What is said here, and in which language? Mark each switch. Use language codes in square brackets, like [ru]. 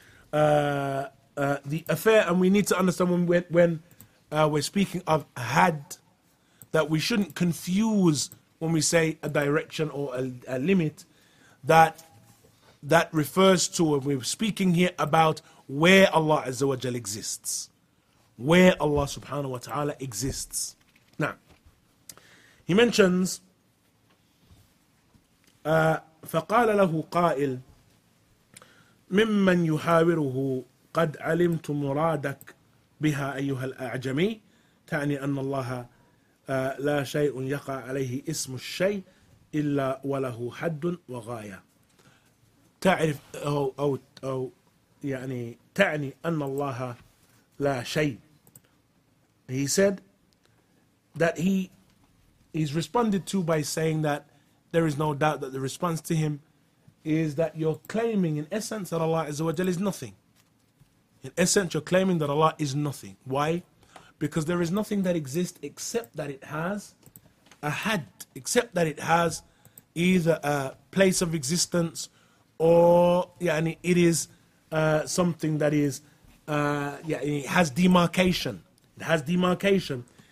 [en] The affair, and we need to understand when we're speaking of had, that we shouldn't confuse when we say a direction or a limit, that refers to, and we're speaking here about where Allah Azza wa Jal exists. Where Allah subhanahu wa ta'ala exists. [ar] Now, he mentions, فَقَالَ لَهُ قَائِلْ مِمَّنْ يُحَاوِرُهُ قَدْ عَلِمْتُ مُرَادَكْ بِهَا أَيُّهَا الْأَعْجَمِي تَعْنِي أَنَّ اللَّهَ لَا شَيْءٌ يَقَعَ عَلَيْهِ إِسْمُ الشَّيْءٍ إِلَّا وَلَهُ حَدٌ وَغَايَةٌ تعرف أو يعني تعني أن الله لا شيء. [en] He said that he's responded to by saying that there is no doubt that the response to him is that you're claiming in essence that Allah Azza wa Jal is nothing. In essence, you're claiming that Allah is nothing. Why? Because there is nothing that exists except that it has a had, except that it has either a place of existence, or something that is it has demarcation.